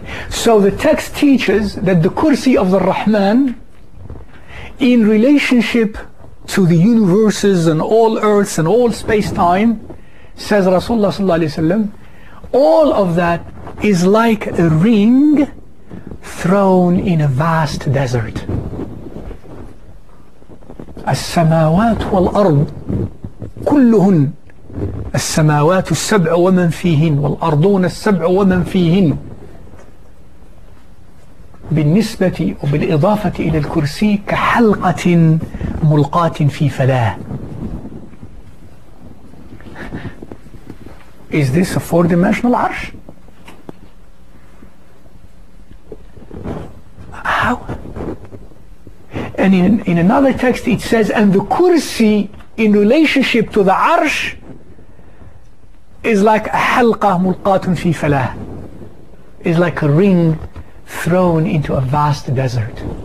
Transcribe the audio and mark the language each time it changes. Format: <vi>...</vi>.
<en>So the text teaches that the kursi of the Rahman, in relationship to the universes and all earths and all space-time, says Rasulullah sallallahu alayhi wa sallam, all of that is like a ring thrown in a vast desert.</en> <ar>السماوات والأرض كلهن السماوات السبع ومن فيهن والأرضون السبع ومن فيهن. بالنسبة وبالإضافة إلى الكرسي كحلقة ملقاة في فلاة.</ar> <en>Is this a four-dimensional arsh? How? And in another text it says, and the kursi in relationship to the arsh is like a</en> <ar>halqa mulqatun fi falah,</ar> <en>is like a ring thrown into a vast desert.</en>